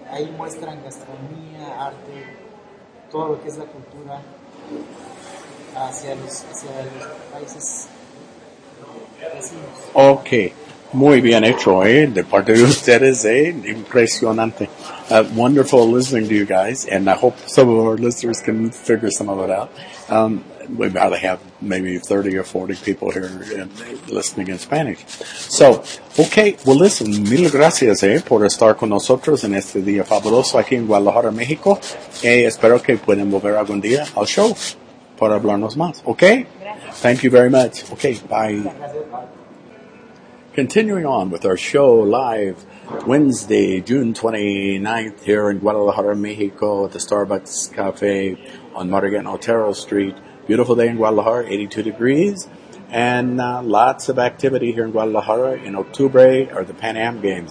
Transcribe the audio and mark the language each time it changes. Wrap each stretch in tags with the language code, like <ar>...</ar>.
<es>Ahí muestran gastronomía, arte, todo lo que es la cultura hacia los países vecinos. Ok, muy bien hecho, de parte de ustedes, impresionante.</es> <en>Wonderful listening to you guys, and I hope some of our listeners can figure some of it out. We'd rather have maybe 30 or 40 people here listening in Spanish. So, okay, well, listen,</en> <es>mil gracias, por estar con nosotros en este día fabuloso aquí en Guadalajara, México. Espero que puedan volver algún día al show para hablarnos más, okay? Gracias.</es> <en>Thank you very much. Okay, bye. Continuing on with our show live Wednesday, June 29th, here in Guadalajara, Mexico, at the Starbucks Cafe on Margarita Otero Street. Beautiful day in Guadalajara, 82 degrees, and lots of activity here in Guadalajara in October, or the Pan Am Games.</en>